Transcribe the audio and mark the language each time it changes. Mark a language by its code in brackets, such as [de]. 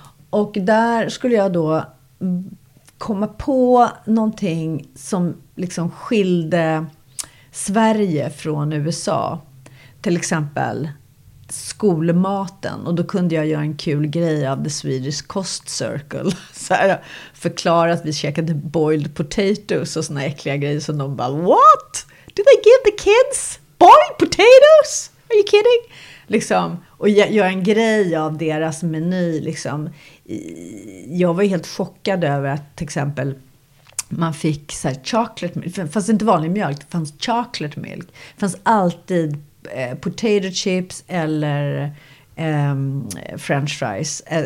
[sv] Och där skulle jag då komma på någonting som liksom skilde Sverige från USA. Till exempel skolmaten, och då kunde jag göra en kul grej av The Swedish Cost Circle, så här, förklara att vi käkade [en] boiled potatoes [sv] och såna äckliga grejer, som de bara, [en] what? Did they give the kids boiled potatoes? Are you kidding? [sv] Liksom, och göra en grej av deras meny liksom. Jag var helt chockad över att till exempel man fick så här chocolate milk, fanns inte vanlig mjölk, det fanns chocolate milk, det fanns alltid potato chips eller french fries.